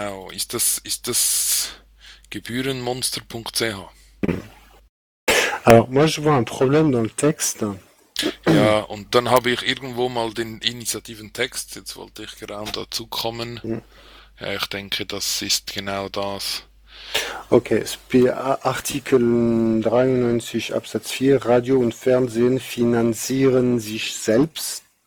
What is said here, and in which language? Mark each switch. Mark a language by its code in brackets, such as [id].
[de] Ist das gebührenmonster.ch? [fr] Alors, moi, je vois un problème dans le texte. [de] Ja, und dann habe ich irgendwo mal den initiativen Text. Jetzt wollte ich gerade dazu kommen. Ja, ich denke, das ist genau das. Okay, Artikel 93 Absatz 4. Radio und Fernsehen finanzieren sich selbst.